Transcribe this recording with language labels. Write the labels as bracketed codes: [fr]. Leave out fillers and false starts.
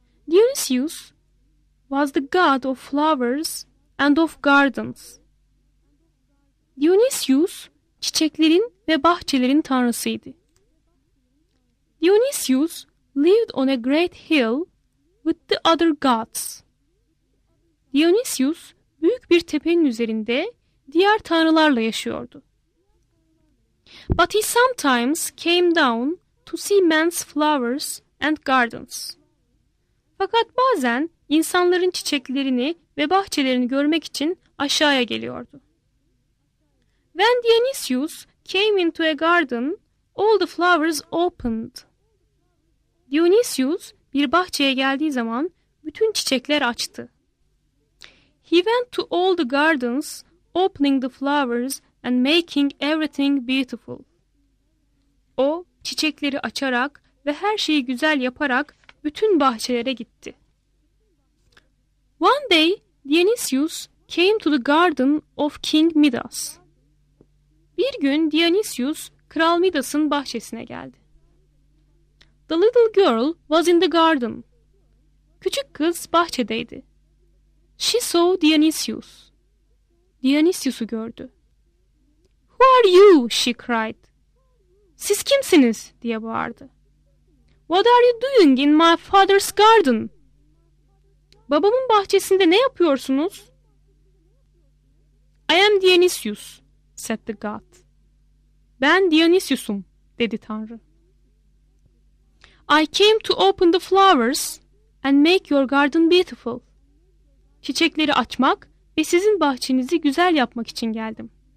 [en] Dionysius was the god of flowers and of gardens. [tr] Dionysius çiçeklerin ve bahçelerin tanrısıydı. [en] Dionysius lived on a great hill with the other gods. [tr] Dionysius büyük bir tepenin üzerinde diğer tanrılarla yaşıyordu. [en] But he sometimes came down to see men's flowers and gardens. [tr] Fakat bazen insanların çiçeklerini ve bahçelerini görmek için aşağıya geliyordu. [en] When Dionysius came into a garden, all the flowers opened. [tr] Dionysius bir bahçeye geldiği zaman bütün çiçekler açtı. [en] He went to all the gardens, opening the flowers and making everything beautiful. [tr] O çiçekleri açarak ve her şeyi güzel yaparak bütün bahçelere gitti. [en] One day Dionysius came to the garden of King Midas. [tr] Bir gün Dionysius Kral Midas'ın bahçesine geldi. [en] The little girl was in the garden. [tr] Küçük kız bahçedeydi. [en] She saw Dionysius. [tr] Dionysius'u gördü. [en] Who are you? She cried. [tr] Siz kimsiniz? Diye bağırdı. [en] What are you doing in my father's garden? [tr] Babamın bahçesinde ne yapıyorsunuz? [en] I am Dionysius, said the god. [tr] Ben Dionysius'um, dedi tanrı. [en] I came to open the flowers and make your garden beautiful. [tr] Çiçekleri açmak ve sizin bahçenizi güzel yapmak için geldim.